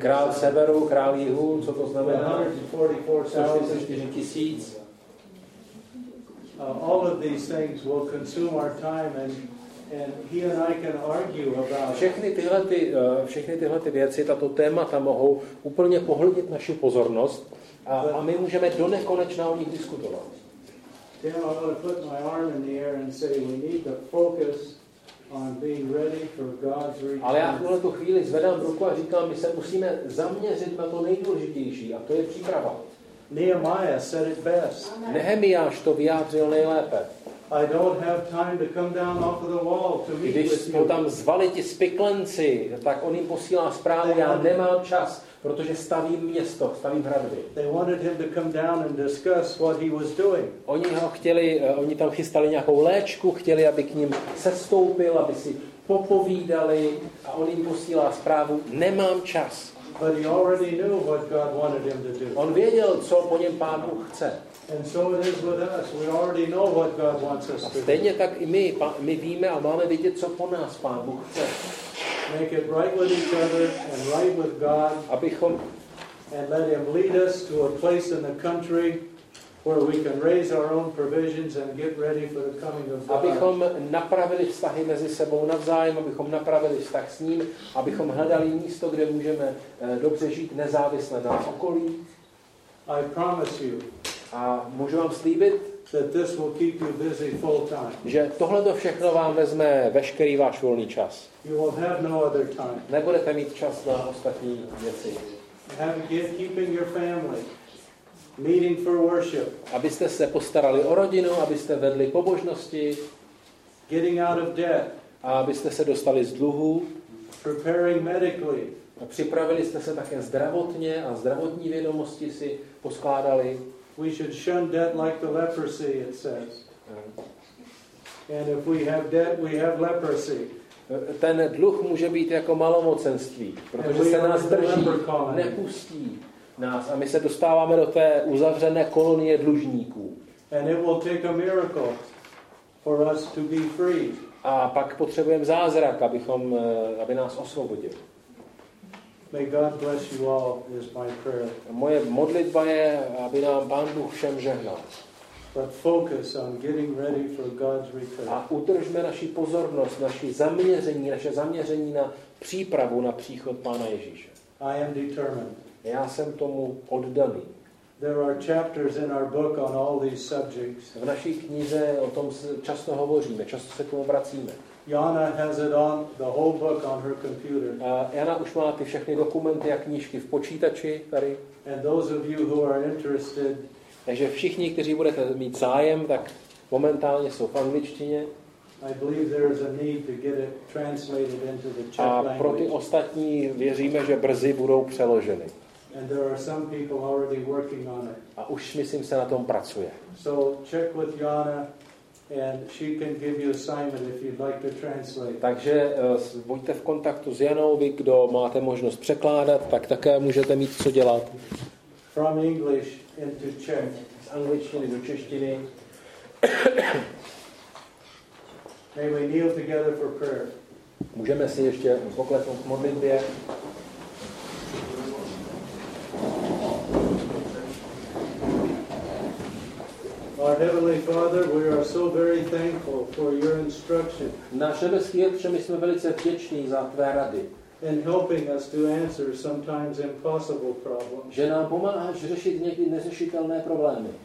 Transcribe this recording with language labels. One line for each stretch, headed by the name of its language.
Czech: Král severu, král jihu, co to znamená?
English: 144,000. All of these things will consume our time and he and I can argue about.
Czech: Všechny tyhle věci, tato témata mohou úplně pohltit naši pozornost a my můžeme do nekonečna o nich diskutovat.
English: Then I'm going to put my arm in the air and say we need to focus on being ready for God's return.
Czech: Ale já v tuto chvíli zvedám ruku a říkám, my se musíme zaměřit na to nejdůležitější, a to je příprava.
English: Nehemiah said it best.
Czech: Nehemiáš to vyjádřil nejlépe.
English: I don't have time to come down off of the wall to meet with you.
Czech: Když jsou tam zvali ti spiklenci, tak on jim posílá zprávu, já nemám čas. Protože stavím město, stavím hradby.
English: They wanted him to come down and discuss what he was doing.
Czech: Oni tam chystali nějakou léčku, chtěli, aby k ním sestoupil, aby si popovídali, a on jim posílá zprávu, nemám čas.
English: But he already knew what God wanted him to do.
Czech: On věděl, co po něm Pán Bůh chce.
English: And so it is with us. We already know what God wants us to do.
Czech: Stejně tak i my víme a máme vědět, co po nás Pán Bůh chce.
English: Make it right with each other and right with God.
Czech: Abychom,
English: and let him lead us to a place in the country where we can raise our own provisions and get ready for the coming of God.
Czech: Abychom napravili vztahy mezi sebou navzájem, abychom napravili vztah s ním, abychom hledali místo, kde můžeme dobře žít nezávisle na okolí.
English: I promise you.
Czech: A můžu vám slíbit,
English: that this will keep you busy full time.
Czech: Že tohle to všechno vám vezme veškerý váš volný čas.
English: You will have no other time.
Czech: Nebudete mít čas na ostatní věci.
English: Keeping your family, meeting for worship.
Czech: Abyste se postarali o rodinu, abyste vedli pobožnosti.
English: Getting out of debt.
Czech: A abyste se dostali z dluhů.
English: Preparing medically.
Czech: A připravili jste se také zdravotně a zdravotní vědomosti si poskládali.
English: We should shun debt like the leprosy, it says. And if we have debt, we have leprosy.
Czech: Ten dluh může být jako malomocenství, protože se nás drží, nepustí. nás a my se dostáváme do té uzavřené kolonie dlužníků.
English: And it will take a miracle for us to be free.
Czech: A pak potřebujeme zázrak, abychom, aby nás osvobodil.
English: May God bless you all is my prayer.
Czech: Moje modlitba je, aby nám Pán Bůh všem žehnal.
English: But focus on getting ready for God's return.
Czech: A udržme naši pozornost, naši zaměření, naše zaměření na přípravu na příchod Pána Ježíše.
English: I am determined.
Czech: Já jsem tomu oddaný.
English: There are chapters in our book on all these subjects.
Czech: V naší knize o tom často hovoříme, často se k tomu vracíme.
English: Jana has it on the whole book on her computer.
Czech: Jana už má ty všechny dokumenty a knížky v počítači tady.
English: And those of you who are interested.
Czech: Takže všichni, kteří budete mít zájem, tak momentálně jsou v angličtině.
English: I believe there is a need to get it translated into the Czech language.
Czech: A pro ty ostatní věříme, že brzy budou přeloženy.
English: And there are some people already working on it.
Czech: A už myslím, se na tom pracuje.
English: So check with Jana. And she can give you assignment if you'd like to translate.
Czech: Takže buďte v kontaktu s Janou, vy, kdo máte možnost překládat, tak také můžete mít co dělat.
English: From English into Czech.
Czech: Z angličtiny do češtiny.
English: May we kneel together for prayer.
Czech: Můžeme si ještě pokleknout v modlitbě.
English: Our heavenly Father, we are so very thankful for your instruction.
Czech: Naše nebeský Otče, my jsme velice vděční za tvé rady.
English: In helping us to answer sometimes impossible problems.
Czech: Že nám pomáháš řešit někdy neřešitelné problémy.